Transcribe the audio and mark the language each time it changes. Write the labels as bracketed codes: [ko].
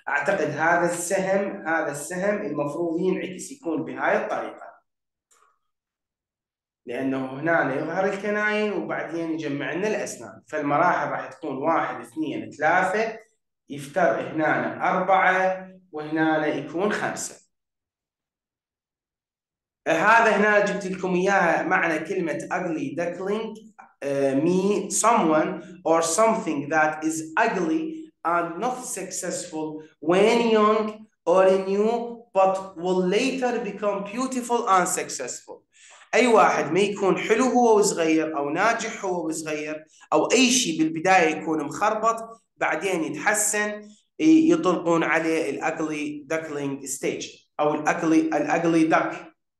[ar] اعتقد هذا السهم المفروض ينعكس يكون بهاي الطريقه، لانه هنا يظهر الكناين وبعدين يجمع لنا الاسنان، فالمراحل راح تكون 1 2 3، يفتر هنا 4، وهنا يكون 5. هذا هنا جبت لكم اياها معنى كلمه [en] ugly duckling، me someone or something that is ugly and not successful when young or new but will later become beautiful and successful. [ar] اي واحد ما يكون حلو هو وصغير او ناجح هو وصغير، او اي شيء بالبدايه يكون مخربط بعدين يتحسن، يطلقون عليه الاكلي داكلينج ستيج او الاكلي داك.